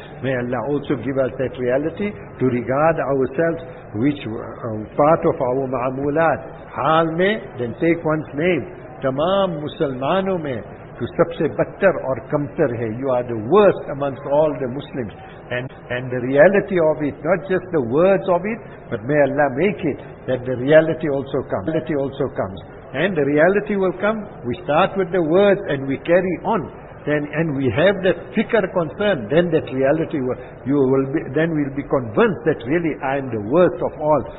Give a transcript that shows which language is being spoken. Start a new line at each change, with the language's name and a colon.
English: May Allah also give us that reality to regard ourselves which part of our معمولات حال میں, then take one's name.
Urdu: تمام مسلمانوں میں تو سب سے بدتر اور کمتر ہے.
English: You are the worst amongst all the Muslims. And the reality of it, not just the words of it, but may Allah make it that the reality also comes. Reality also comes. And the reality will come. We start with the words and we carry on. Then, and we have that thicker concern, then that reality will, you will be, then we'll be convinced that really I am the worst of all.